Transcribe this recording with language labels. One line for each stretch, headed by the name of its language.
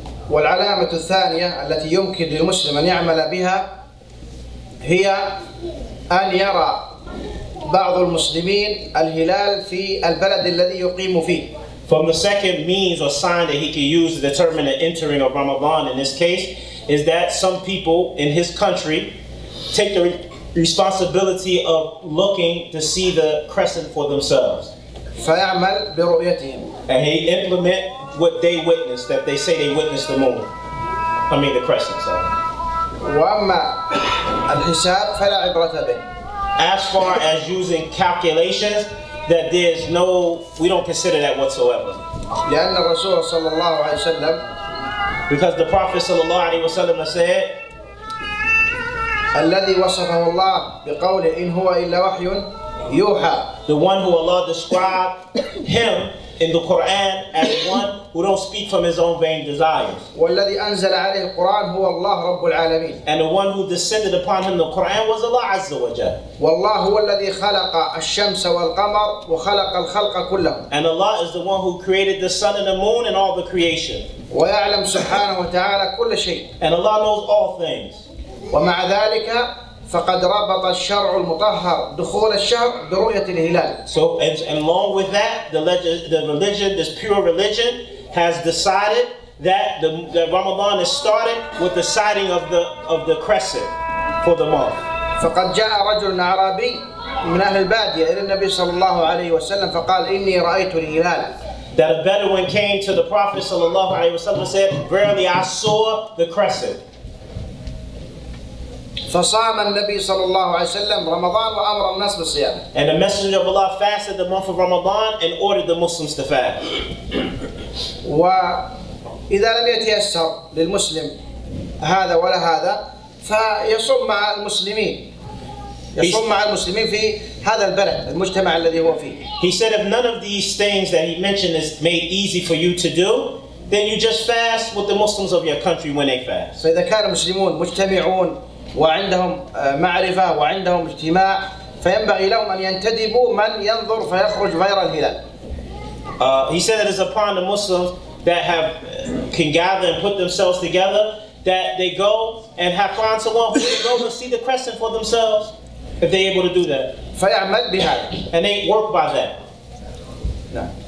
Arabic: والعلامة الثانية التي يمكن للمسلم أن يعمل بها هي أن يرى بعض المسلمين الهلال في البلد الذي يقيم فيه.
English: From the second means or sign that he can use to determine the entering of Ramadan in this case is that some people in his country take the responsibility of looking to see the crescent for themselves.
Arabic: فيعمل برؤيتهم.
English: And he implement what they witness, that they say they witness the moon. I mean the crescent, sorry.
Arabic: وأما الحساب فلا عبرة به.
English: As far as using calculations, that there's no, we don't consider that whatsoever.
Arabic: لأن الرسول صلى الله عليه وسلم.
English: Because the Prophet
Arabic: صلى الله عليه وسلم
English: said,
Arabic: الذي وصفه الله بقوله إن هو إلا وحي يوحى.
English: The one who Allah described him in the Quran as one who don't speak from his own vain desires.
Arabic: والذي أنزل عليه القرآن هو الله رب العالمين.
English: And the one who descended upon him the Quran was Allah Azza wa Jal.
Arabic: والله هو الذي خلق الشمس والقمر وخلق الخلق كلهم.
English: And Allah is the one who created the sun and the moon and all the creation.
Arabic: ويعلم سبحانه وتعالى كل شيء.
English: And Allah knows all things.
Arabic: ومع ذلك فقد ربط الشرع المطهر دخول الشهر برؤية الهلال.
English: So and along with that, the religion, this pure religion, has decided that the Ramadan is started with the sighting of the crescent for the month.
Arabic: فقد جاء رجل عربي من أهل البادية إلى النبي صلى الله عليه وسلم فقال إني رأيت الهلال.
English: That a Bedouin came to the Prophet
Arabic: صلى الله عليه وسلم
English: and said, Verily I saw the crescent.
Arabic: فصام النبي صلى الله عليه وسلم رمضان وأمر الناس بالصيام.
English: And the Messenger of Allah fasted the month of Ramadan and ordered the Muslims to fast.
Arabic: وإذا لم يتيسر للمسلم هذا ولا هذا فيصوم مع المسلمين. يصوم مع المسلمين في هذا البلد المجتمع الذي هو فيه.
English: He said if none of these things that he mentioned is made easy for you to do, then you just fast with the Muslims of your country when they fast.
Arabic: فإذا كان المسلمون مجتمعون وعندهم معرفة وعندهم اجتماع فينبغي لهم أن ينتدبوا من ينظر فيخرج غير الهلال.
English: He said it is upon the Muslims that have can gather and put themselves together that they go and have found someone who can go and see the crescent for themselves if they're able to do that.
Arabic: فيعمل بهذا.
English: And they work by that. No.